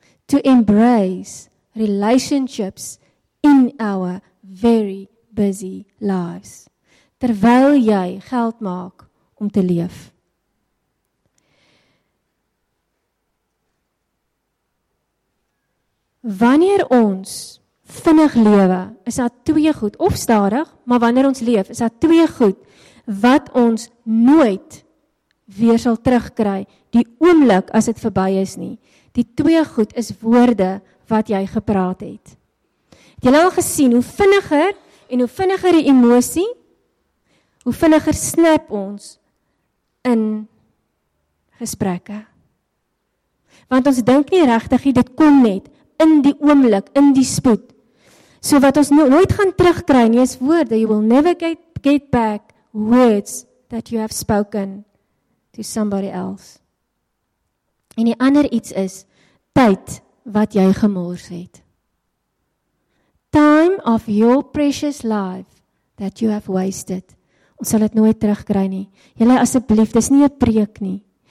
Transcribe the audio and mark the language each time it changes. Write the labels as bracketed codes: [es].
[en] To embrace relationships in our very busy lives. [af] Terwyl jy geld maak om te leef. Wanneer ons vinnig lewe, is daar twee goed, of stadig, maar wanneer ons leef, is daar twee goed, wat ons nooit weer sal terugkry, die oomblik as het verby is nie. Die twee goed is woorde wat jy gepraat het. Het jy al gesien hoe vinniger en hoe vinniger die emosie, hoe vinniger snap ons in gesprekke. Want ons dink nie regtig, dit kom net in die oomblik, in die spoed. So wat ons nooit gaan terugkry nie is woorde, [en] you will never get back words that you have spoken to somebody else. [af] En die ander iets is tyd wat jy gemors het. [en] Time of your precious life that you have wasted. [af] Ons sal dit nooit terugkry nie. Julle asseblief, dis nie 'n preek nie.